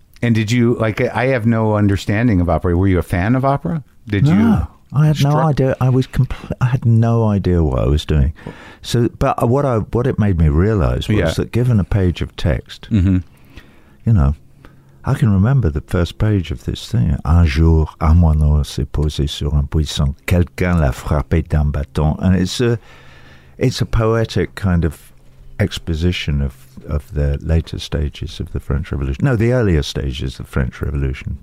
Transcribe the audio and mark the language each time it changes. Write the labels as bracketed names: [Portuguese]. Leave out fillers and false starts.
[English] And did you, I have no understanding of opera. Were you a fan of opera? I had no idea what I was doing. So, but what it made me realize was that given a page of text, I can remember the first page of this thing. [French] Un jour, un moineau s'est posé sur un puissant. Quelqu'un l'a frappé d'un bâton. [English] And it's a poetic kind of exposition of the later stages of the French Revolution. No, the earlier stages of the French Revolution.